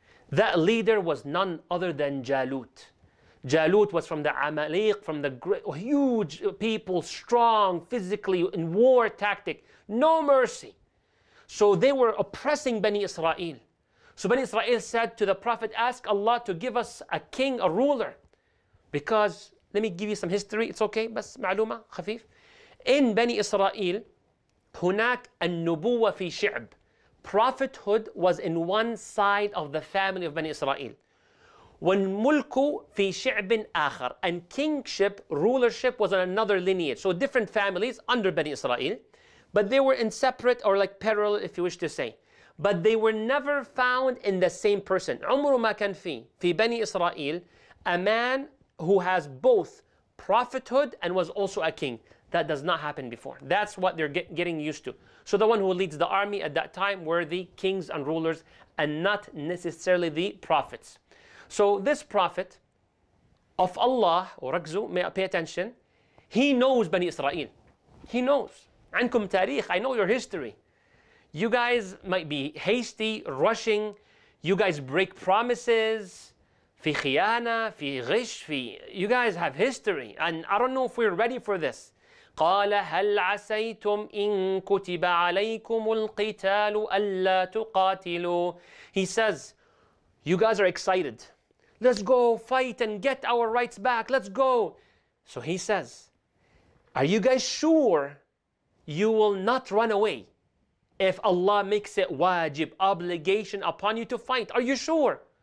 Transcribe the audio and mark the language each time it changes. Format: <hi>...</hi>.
<en>That leader was none other than Jalut. Jalut was from the Amalek, from the great, huge people, strong physically in war tactic. No mercy. So they were oppressing Bani Israel. So Bani Israel said to the Prophet, ask Allah to give us a king, a ruler. Because, let me give you some history, it's okay,</en> <ar>بس معلومة خفيف. In Bani Israel, هناك النبوة في شعب.</ar> <en>Prophethood was in one side of the family of Bani Israel.</en> <ar>والملك في شعب آخر.</ar> <en>And kingship, rulership was on another lineage. So different families under Bani Israel. But they were in separate or like parallel, if you wish to say. But they were never found in the same person.</en> <ar>عمر ما كان في بني إسرائيل,</ar> <en>a man who has both prophethood and was also a king. That does not happen before. That's what they're getting used to. So the one who leads the army at that time were the kings and rulers and not necessarily the prophets. So this prophet of Allah,</en> <ar>وركزوا,</ar> <en>pay attention, he knows بني إسرائيل. He knows.</en> <ar>عنكم تاريخ,</ar> <en>I know your history. You guys might be hasty, rushing. You guys break promises.</en> <ar>في خيانة, في غش, في.</ar> <en>You guys have history. And I don't know if we're ready for this.</en> <ar>قال هل عسيتم إن كتب عليكم القتال ألا تقاتلوا.</ar> <en>He says, you guys are excited. Let's go fight and get our rights back. Let's go. So he says, are you guys sure you will not run away? If Allah makes it wajib, obligation upon you to fight, are you sure?</en>